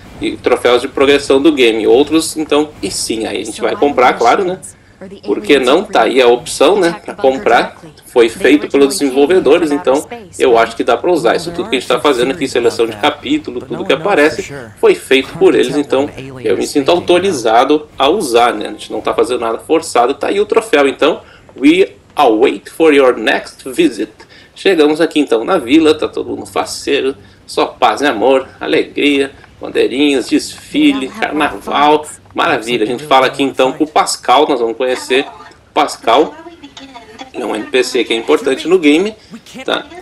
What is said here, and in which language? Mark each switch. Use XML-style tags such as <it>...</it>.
<pt>E troféus de progressão do game. Outros, então, e sim, aí a gente vai comprar, claro, né? Por que não? Tá aí a opção, né, pra comprar. Foi feito pelos desenvolvedores, então eu acho que dá pra usar. Isso tudo que a gente tá fazendo aqui, seleção de capítulo, tudo que aparece, foi feito por eles, então eu me sinto autorizado a usar, né? A gente não tá fazendo nada forçado. Tá aí o troféu, então.</pt> <en>We await for your next visit.</en> <pt>Chegamos aqui, então, na vila, tá todo mundo faceiro, só paz e amor, alegria, bandeirinhas, desfile, carnaval. Maravilha, a gente fala aqui então com o Pascal, nós vamos conhecer o Pascal, que é um NPC que é importante no game, tá?</pt>